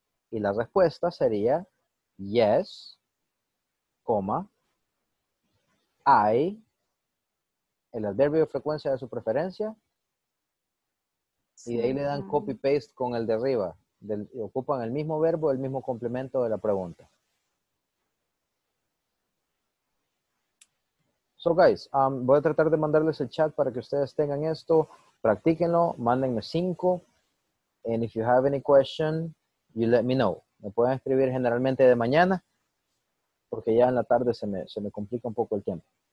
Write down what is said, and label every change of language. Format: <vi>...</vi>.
<es>Y la respuesta sería yes, coma, I, el adverbio de frecuencia de su preferencia. Sí. Y de ahí le dan copy-paste con el de arriba. Ocupan el mismo verbo, el mismo complemento de la pregunta. So guys, voy a tratar de mandarles el chat para que ustedes tengan esto. Practíquenlo, mándenme 5.</es> <en>And if you have any question, you let me know.</en> <es>Me pueden escribir generalmente de mañana, porque ya en la tarde se me complica un poco el tiempo.</es>